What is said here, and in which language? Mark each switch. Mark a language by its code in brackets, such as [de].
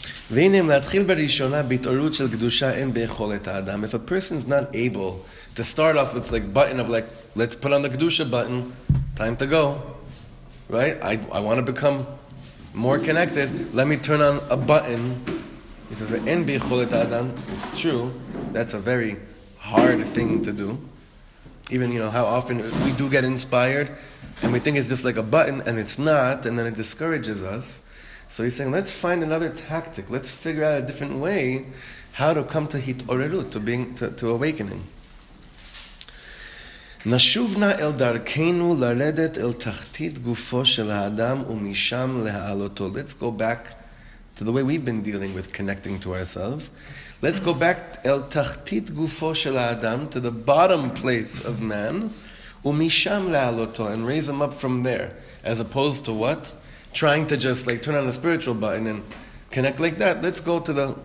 [he] והנה אם להתחיל בראשונה בהתעוררות של קדושה אין בכולת האדם. [en] If a person's not able to start off with, like, button of, like, let's put on the Kedusha button, time to go, right? I want to become more connected, let me turn on a button. He says, "En b'yicholet adam." It's true, that's a very hard thing to do. Even, you know, how often we do get inspired, and we think it's just like a button, and it's not, and then it discourages us. So he's saying, let's find another tactic, let's figure out a different way how to come to hit'orerut, to awakening. [he] נשובנה אל דרכנו לרדת אל תחתית גופו של האדם ומשם להעלותו. [en] Let's go back to the way we've been dealing with connecting to ourselves. Let's go back [he] אל תחתית גופו של האדם, [en] to the bottom place of man, [he] ומשם להעלותו, [en] and raise him up from there. As opposed to what? Trying to just, like, turn on a spiritual button and connect like that. Let's go to the...